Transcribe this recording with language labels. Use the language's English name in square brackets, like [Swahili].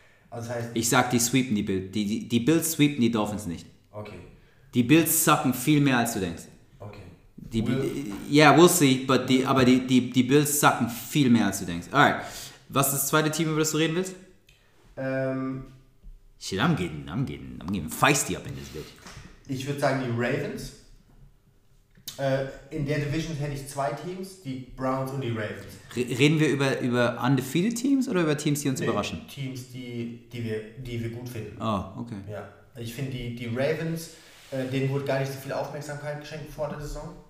[German] Also das heißt, ich sag, die sweepen die Bills. Die Bills sweepen die Dolphins nicht. Okay. Die Bills sucken viel mehr, als du denkst. Okay. Die Bills sucken viel mehr, als du denkst. Alright. Was ist das zweite Team, über das du reden willst? [English] Shit, I'm getting feisty up in this bitch. [German] Ich würde sagen, die Ravens. In der Division hätte ich 2 Teams, die Browns und die Ravens. Reden wir über undefeated Teams oder über Teams, die uns überraschen? Teams, die wir gut finden. Oh, okay. Ja, ich finde die Ravens, denen wurde gar nicht so viel Aufmerksamkeit geschenkt vor der Saison.